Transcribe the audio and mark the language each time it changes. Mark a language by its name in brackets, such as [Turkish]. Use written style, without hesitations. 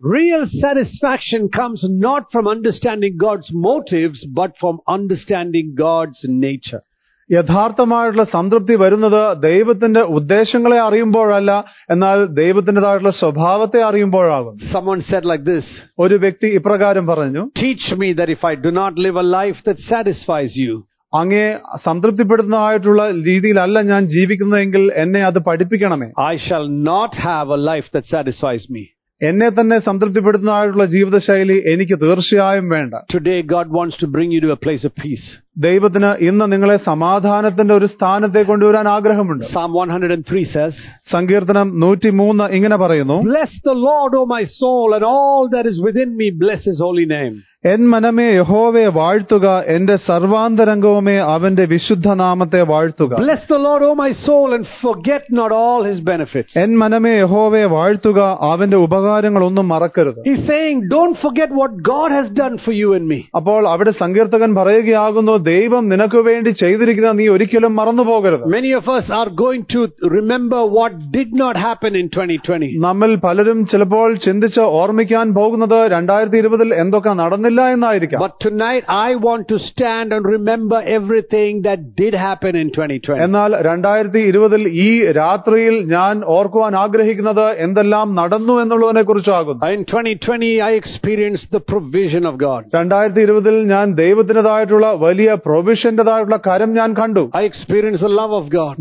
[English] Real satisfaction comes not from understanding God's motives but from understanding God's nature. [Malayalam] യഥാർത്ഥമായിട്ടുള്ള സംതൃപ്തി വരുന്നത് ദൈവത്തിന്റെ ഉദ്ദേശങ്ങളെ അറിയുമ്പോഴല്ല, എന്നാൽ ദൈവത്തിന്റേതായിട്ടുള്ള സ്വഭാവത്തെ അറിയുമ്പോഴാകും. [English] Someone said like this. [Malayalam] ഒരു വ്യക്തി ഇപ്രകാരം പറഞ്ഞു, [English] teach me that if I do not live a life that satisfies you, [Malayalam] അങ്ങേ സംതൃപ്തിപ്പെടുന്നതായിട്ടുള്ള രീതിയിലല്ല ഞാൻ ജീവിക്കുന്നതെങ്കിൽ എന്നെ അത് പഠിപ്പിക്കണമേ. [English] I shall not have a life that satisfies me. [Malayalam] എന്നെ തന്നെ സംതൃപ്തിപ്പെടുത്തുന്നതായിട്ടുള്ള ജീവിതശൈലി എനിക്ക് തീർച്ചയായും വേണ്ട. [English] Today God wants to bring you to a place of peace. [Malayalam] ദൈവത്തിന് ഇന്ന് നിങ്ങളെ സമാധാനത്തിന്റെ ഒരു സ്ഥാനത്തെ കൊണ്ടുവരാൻ ആഗ്രഹമുണ്ട്. [English] Psalm 103 says, [Malayalam] സങ്കീർത്തനം 103 ഇങ്ങനെ പറയുന്നു, [English] Bless the Lord, O my soul, and all that is within me, bless his holy name. [Malayalam] N മനമേ യഹോവയെ വാഴ്ത്തുക, എന്റെ സർവാന്തരംഗവുമേ അവന്റെ വിശുദ്ധ നാമത്തെ വാഴ്ത്തുക. [English] Bless the Lord, O my soul, and forget not all his benefits. [Malayalam] N മനമേ യഹോവയെ വാഴ്ത്തുക, അവന്റെ ഉപകാരങ്ങളൊന്നും മറക്കരുത്. [English] He's saying, don't forget what God has done for you and me. [Malayalam] അപ്പോൾ അവിടെ സങ്കീർത്തകൻ പറയുകയാകുന്നു, ദൈവം നിനക്ക് വേണ്ടി ചെയ്തിരിക്കുന്ന നീ ഒരിക്കലും മറന്നു പോകരുത്. [English] Many of us are going to remember what did not happen in 2020. [Malayalam] നമ്മൾ പലരും ചിലപ്പോൾ ചിന്തിച്ച് ഓർമ്മിക്കാൻ പോകുന്നത് 2020 ൽ എന്തൊക്കെ നടന്നില്ല എന്നായിരിക്കാം. [English] But tonight I want to stand and remember everything that did happen in 2020. [Malayalam] എന്നാൽ 2020 ൽ ഈ രാത്രിയിൽ ഞാൻ ഓർക്കുവാൻ ആഗ്രഹിക്കുന്നത് എന്തെല്ലാം നടന്നു എന്നുള്ളതിനെ കുറിച്ചാകുന്നു. [English] In 2020 I experienced the provision of God. [Malayalam] 2020 ൽ ഞാൻ ദൈവത്തിന്റേതായിട്ടുള്ള വലിയ പ്രൊവിഷന്റേതായിട്ടുള്ള കാര്യം ഞാൻ കണ്ടു. [English] I experience the love of God,